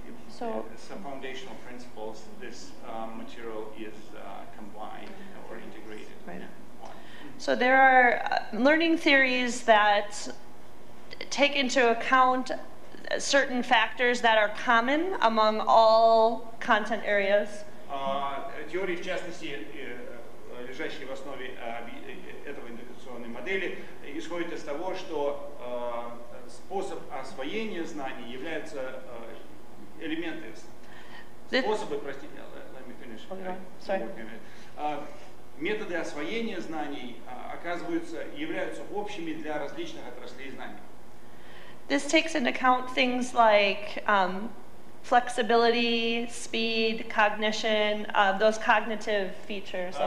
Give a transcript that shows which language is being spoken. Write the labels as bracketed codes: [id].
[en] Some foundational principles this material is combined or integrated. So there are learning theories that take into account certain factors that are common among all content areas. [ru] Теории, в частности, лежащие в основе этого интеграционной модели, исходят из того, что способ освоения знаний является элементы, способы, простите, [en] let me finish. [ru] Методы освоения знаний оказываются, являются общими для различных отраслей знаний. [en] This takes into account things like flexibility, speed, cognition, those cognitive features.